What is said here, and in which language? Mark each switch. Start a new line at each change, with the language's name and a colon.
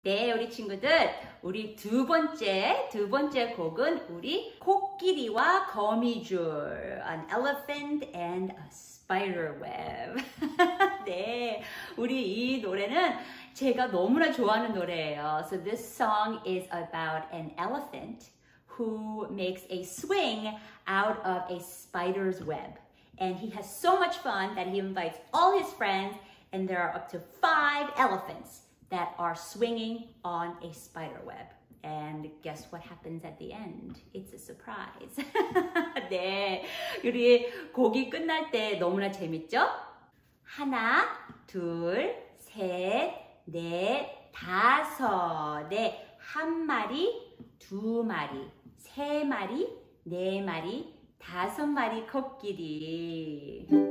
Korean: 네, 우리 친구들, 우리 두 번째 곡은 우리 코끼리와 거미줄,
English: an elephant and a spider web.
Korean: 네, 우리 이 노래는 제가 너무나 좋아하는 노래예요.
English: So this song is about an elephant who makes a swing out of a spider's web. And he has so much fun that he invites all his friends, and there are up to 5 elephants that are swinging on a spider web. And guess what happens at the end? It's a surprise.
Korean: 네, 우리 곡이 끝날 때 너무나 재밌죠? 하나, 둘, 셋, 넷, 다섯. 네, 한 마리, 두 마리, 세 마리, 네 마리, 다섯 마리 코끼리.